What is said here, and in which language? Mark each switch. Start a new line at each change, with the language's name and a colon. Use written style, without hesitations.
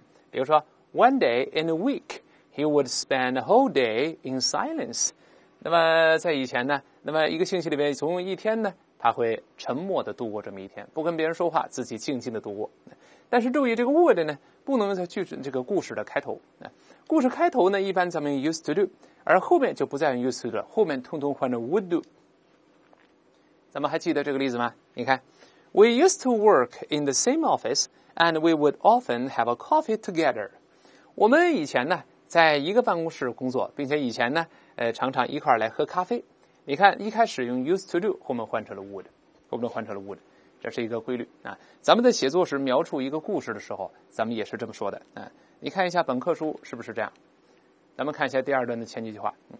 Chinese: 比如说
English: One day in a week he would spend a whole day in silence，
Chinese: 那么在以前呢，那么一个星期里面总有一天呢，他会沉默的度过这么一天，不跟别人说话，自己静静的度过。但是注意这个 would 呢不能在这个故事的开头，故事开头呢一般咱们
English: used to do，
Chinese: 而后面就不再用 used to do， 后面通通换成
English: would do。
Chinese: 咱们还记得这个例子吗？你看
English: We used to work in the same office, and we would often have a coffee together.
Chinese: 我们以前呢，在一个办公室工作，并且以前呢，常常一块来喝咖啡。你看，一开始用
English: used to do，
Chinese: 后面换成了 would， 后面换成了 would， 这是一个规律啊。咱们在写作时描述一个故事的时候，咱们也是这么说的啊。你看一下本课书是不是这样？咱们看一下第二段的前几句话。